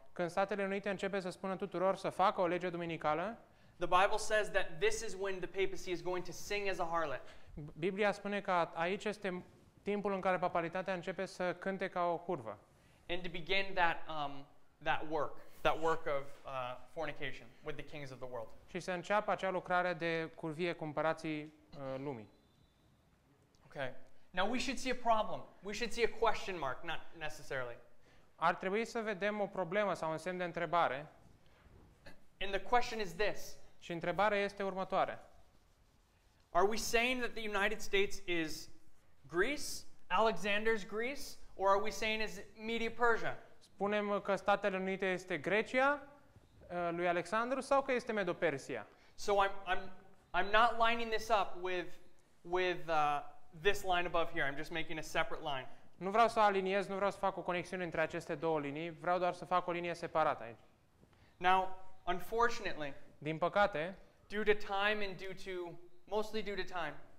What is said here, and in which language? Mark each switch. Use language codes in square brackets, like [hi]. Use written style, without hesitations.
[ro] când Statele Unite începe să spună tuturor să facă o lege duminicală, [en] the Bible says that this is when the papacy is going to sing as a harlot. [ro] Biblia spune că aici este timpul în care papalitatea începe să cânte ca o curvă. [en] And to begin that that work of fornication with the kings of the world. [ro] Și să înceapă acea lucrare de curvie cu împărații lumii. [en] Okay. Now we should see a problem. We should see a question mark, not necessarily. [ro] Ar trebui să vedem o problemă sau un semn de întrebare. [en] And the question is this. [ro] Și întrebarea este următoare. [en] Are we saying that the United States is Greece, Alexander's Greece, or are we saying is Media Persia? [ro] Spunem că Statele Unite este Grecia lui Alexandru sau că este Medo-Persia? [en] So I'm not lining this up with this line above here. I'm just making a separate line. [ro] Nu vreau să aliniez, nu vreau să fac o conexiune între aceste două linii, vreau doar să fac o linie separată aici. [en] Now, unfortunately, [ro] din păcate, [en] due to time and mostly due to time,